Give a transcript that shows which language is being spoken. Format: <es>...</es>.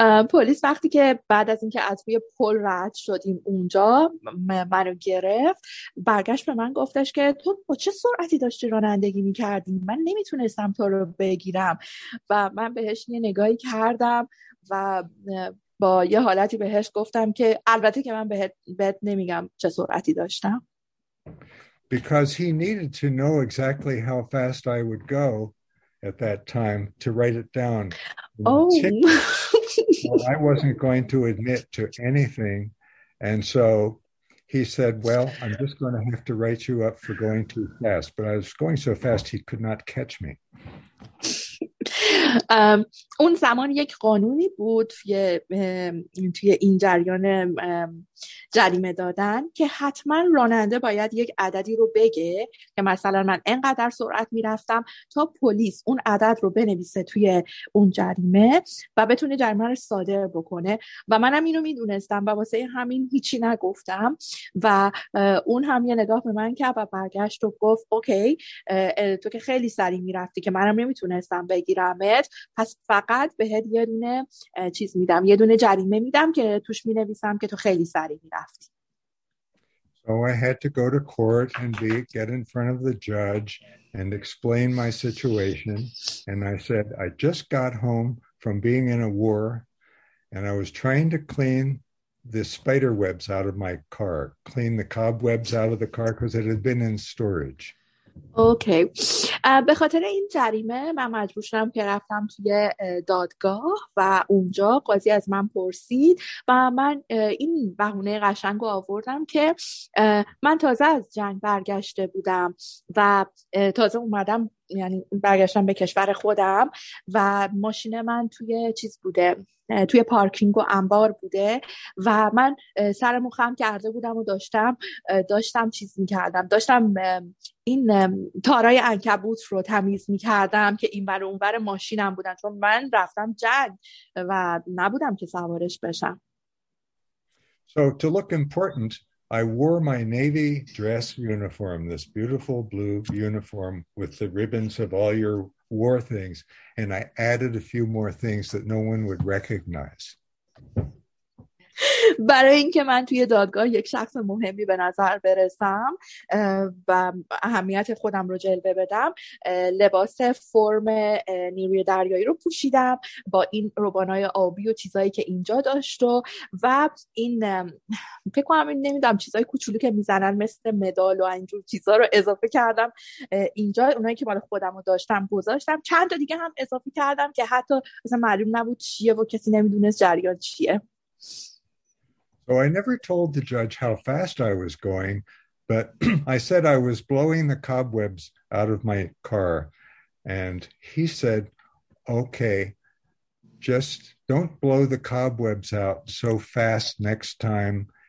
<fa>پلیس وقتی که بعد از اینکه از روی پل رد شدیم اونجا منو گرفت برگشت به من گفتش که تو با چه سرعتی داشتی رانندگی میکردی؟ من نمیتونستم تو رو بگیرم و من بهش یه نگاهی کردم و با یه حالتی بهش گفتم که البته که من بهت نمیگم چه سرعتی داشتم.</fa> <en>Because he needed to know exactly how fast I would go at that time to write it down. Oh. I wasn't going to admit to anything. And so he said, well, I'm just going to have to write you up for going too fast. But I was going so fast, he could not catch me.</en> <fa>اون زمان یک قانونی بود توی این جریان جریمه دادن که حتما راننده باید یک عددی رو بگه که مثلا من اینقدر سرعت میرفتم تا پلیس اون عدد رو بنویسه توی اون جریمه و بتونه جریمه رو صادر بکنه و منم اینو میدونستم و واسه همین هیچی نگفتم و اون هم یه نگاه به من کرد و برگشت و گفت اوکی تو که خیلی سریع میرفتی که منم نمیتونستم بگیرم پس فقط بهت یه دونه چیز میدم یه دونه جریمه میدم که توش مینویسم که تو خیلی سریع میرفتی.</fa> <en>So I had to go to court and get in front of the judge and explain my situation and I said I just got home from being in a war and I was trying to clean the spider webs out of my car, clean the cobwebs out of the car because it had been in storage. Okay.</en> <fa>به خاطر این جریمه من مجبور شدم که رفتم توی دادگاه و اونجا قاضی از من پرسید و من این بهونه قشنگ رو آوردم که من تازه از جنگ برگشته بودم و تازه اومدم یعنی برگشتم به کشور خودم و ماشین من توی چیز بوده توی پارکینگ و انبار بوده و من سرمو خم کرده بودم و داشتم چیز میکردم داشتم این تارای عنکبوت رو تمیز میکردم که این بر اون بر ماشینم بودن چون من رفتم جنگ و نبودم که سوارش بشم.</fa> <en>So to look important I wore my navy dress uniform, this beautiful blue uniform with the ribbons of all your war things, and I added a few more things that no one would recognize.</en> <fa>برای اینکه من توی دادگاه یک شخص مهمی به نظر برسم و اهمیت خودم رو جلوه بدم لباس فرم نیروی دریایی رو پوشیدم با این روبانای آبی و چیزایی که اینجا داشت و این فکر کنم این نمیدونم چیزای کوچولو که میزنن مثل مدال و اینجور چیزا رو اضافه کردم اینجا اونایی که مال خودم رو داشتم گذاشتم چند تا دیگه هم اضافه کردم که حتی مثلا معلوم نبود چیه و کسی نمیدونست جریان چیه.</fa> <en>So I never told the judge how fast I was going, but I said I was blowing the cobwebs out of my car. And he said, okay, just don't blow the cobwebs out so fast next time.</en>